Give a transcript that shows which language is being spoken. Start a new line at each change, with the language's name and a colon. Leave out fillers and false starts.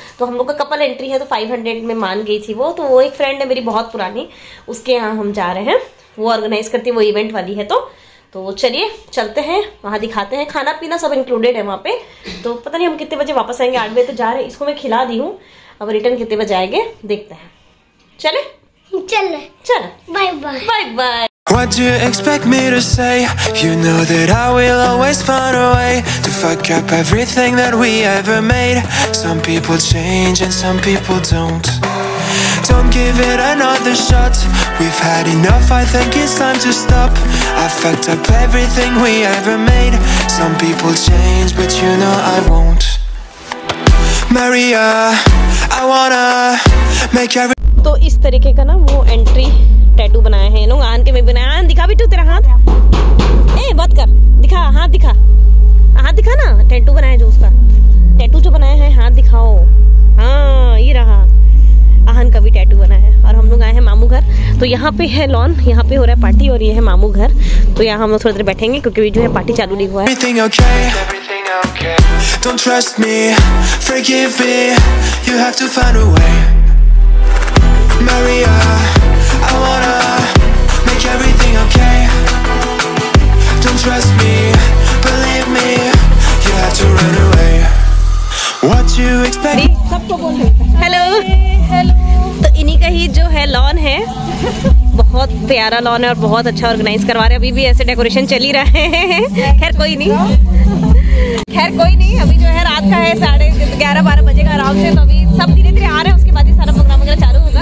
Hindi: तो हम लोग का कपल एंट्री है, तो 500 में मान गई थी वो। तो वो एक फ्रेंड है मेरी बहुत पुरानी, उसके यहाँ हम जा रहे हैं, वो ऑर्गेनाइज करती है, वो इवेंट वाली है। तो चलिए चलते हैं वहाँ, दिखाते हैं, खाना पीना सब इंक्लूडेड है वहाँ पे। तो पता नहीं हम कितने बजे वापस आएंगे, 8 बजे तो जा रहे हैं, इसको मैं खिला दी हूँ, अब रिटर्न कितने बजे आएंगे देखते हैं। चले चले चलो, bye bye bye bye.
English: What do you expect me to say? You know that I will always find a way to fuck up everything that we ever made. Some people change and some people don't. Don't give it another shot. We've had enough, I think it's time to stop. I fucked up everything we ever made. Some people change, but you know I won't. Maria, I wanna make every.
Hindi: तो इस तरीके का ना वो entry tattoo बनाया है लोग, आन के में बनाया। आन दिखा बेटू तेरा हाथ, ए बात कर, दिखा हाथ, दिखा हाथ, दिखा ना टैटू बनाया जो उसका, टैटू जो बनाया है हाथ दिखाओ। हाँ ये रहा आहन का भी टैटू बना है। और हम लोग आए हैं मामू घर, तो यहाँ पे है लॉन, यहाँ पे हो रहा है पार्टी और ये है मामू घर। तो यहाँ हम लोग थोड़ी देर बैठेंगे क्योंकि वीडियो है पार्टी चालू नहीं हुआ है।
English: Maria, I wanna make everything okay. Don't trust me, believe me, you have to run away. What you expect? Hello.
Hindi: तो इन्हीं का ही जो है लॉन है, बहुत प्यारा लॉन है और बहुत अच्छा ऑर्गेनाइज करवा रहे हैं। अभी भी ऐसे डेकोरेशन चली रहे हैं। खैर कोई नहीं, अभी जो है रात का है 11:30 बजे का आराम से। तो अभी सब धीरे धीरे आ रहे हैं, उसके बाद ही सारा प्रोग्राम वगैरह चालू होगा।